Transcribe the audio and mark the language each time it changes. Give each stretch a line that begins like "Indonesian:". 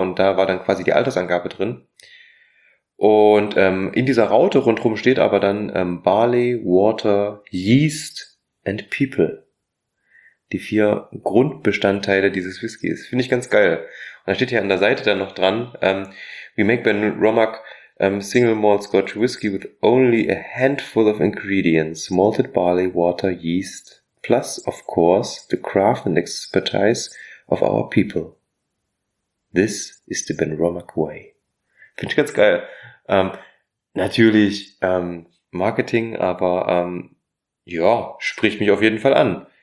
German: Und da war dann quasi die Altersangabe drin. Und in dieser Raute rundherum steht aber dann
English: Barley, Water, Yeast and People.
German: Die vier Grundbestandteile dieses Whiskys. Finde ich ganz geil. Und da steht hier an der Seite dann noch dran,
English: we make Benromach single malt Scotch Whisky with only a handful of ingredients. Malted barley, water, yeast. Plus, of course, the craft and expertise of our people. This is the Benromach way.
German: Finde ich ganz geil. Natürlich Marketing, aber ja, spricht mich auf jeden Fall an.